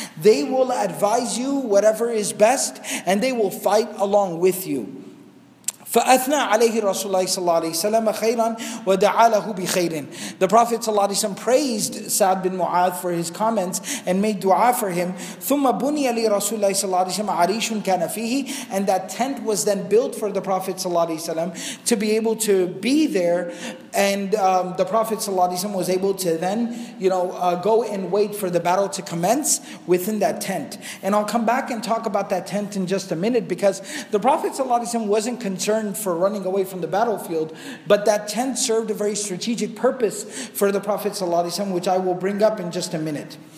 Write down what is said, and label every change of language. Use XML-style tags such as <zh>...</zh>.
<en>They will advise you whatever is best, and they will fight along with you.</en> <ar>فأثنى عليه رسول الله صلى الله عليه وسلم خيرا ودعا له بخير.</ar> <en>The Prophet</en> <ar>صلى الله عليه وسلم</ar> <en>praised Sa'd bin Mu'adh for his comments and made dua for him.</en> <ar>ثم بني لرسول الله صلى الله عليه وسلم عريش كان فيه.</ar> <en>And that tent was then built for the Prophet</en> <ar>صلى الله عليه وسلم</ar> <en>to be able to be there. And the Prophet</en> <ar>صلى الله عليه وسلم</ar> <en>was able to then, you know, go and wait for the battle to commence within that tent. And I'll come back and talk about that tent in just a minute, because the Prophet</en> <ar>صلى الله عليه وسلم</ar> <en>wasn't concerned for running away from the battlefield, but that tent served a very strategic purpose for the Prophet صلى الله عليه وسلم, which I will bring up in just a minute.</en>